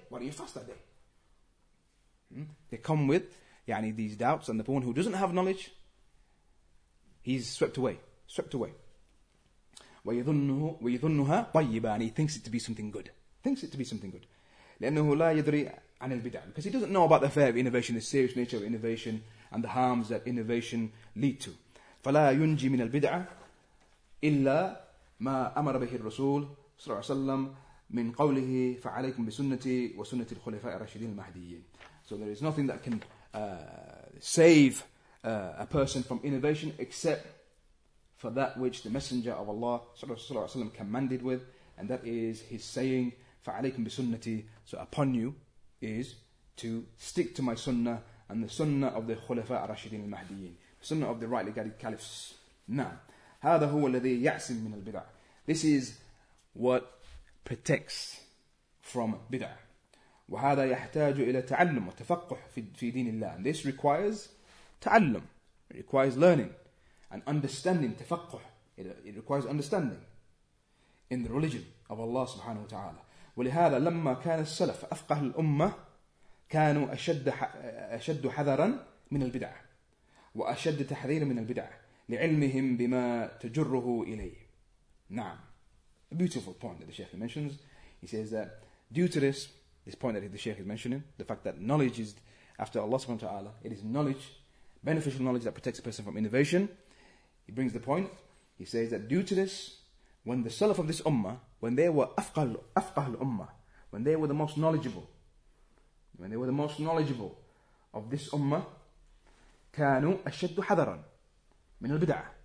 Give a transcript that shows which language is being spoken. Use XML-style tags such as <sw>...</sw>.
<en>Why don't you fast that day? They come with يعني, these doubts, and the one who doesn't have knowledge, he's swept away. Swept away.</en> <ar>وَيَظُنُّهَا طَيِّبًا.</ar> <en>And he thinks it to be something good. Thinks it to be something good.</en> <ar>لأنه لا يدري عن البدع.</ar> <en>Because he doesn't know about the affair of innovation, the serious nature of innovation, and the harms that innovation lead to.</en> <ar>فَلَا يُنْجِي مِنَ الْبِدْعَةِ إِلَّا ما أمر به الرسول صلى الله عليه وسلم من قوله فعليكم بسنتي وسنة الخلفاء الراشدين المهديين.</ar> <en>So there is nothing that can save a person from innovation except for that which the Messenger of Allah</en> <ar>صلى الله عليه وسلم</ar> <en>commanded with, and that is his saying</en> <ar>فعليكم بسنتي.</ar> <en>So upon you is to stick to my sunnah and the sunnah of the</en> <ar>خلفاء الراشدين المهديين,</ar> <en>the sunnah of the rightly guided caliphs.</en> <ar>نعم. هذا هو الذي يعصم من البدع.</ar> <en>This is what protects from بدع.</en> <ar>وهذا يحتاج إلى تعلم وتفقه في دين الله.</ar> <en>And this requires تعلم. It requires learning and understanding. تفقه. It requires understanding in the religion of Allah</en> <ar>سبحانه وتعالى. ولهذا لما كان السلف أفقه الأمة كانوا أشد حذرا من البدع وأشد تحذيرا من البدع لعلمهم بما تجره إليه.</ar> <en>نعم. A beautiful point that the Sheikh mentions. He says that due to this, this point that the Sheikh is mentioning, the fact that knowledge is after Allah subhanahu wa ta'ala, it is knowledge, beneficial knowledge that protects a person from innovation. He brings the point. He says that due to this, when the Salaf of this Ummah, when they were afqahul Ummah, when they were the most knowledgeable, when they were the most knowledgeable of this Ummah,</en> <ar>كانوا أشد حذرا من البدعة.</ar>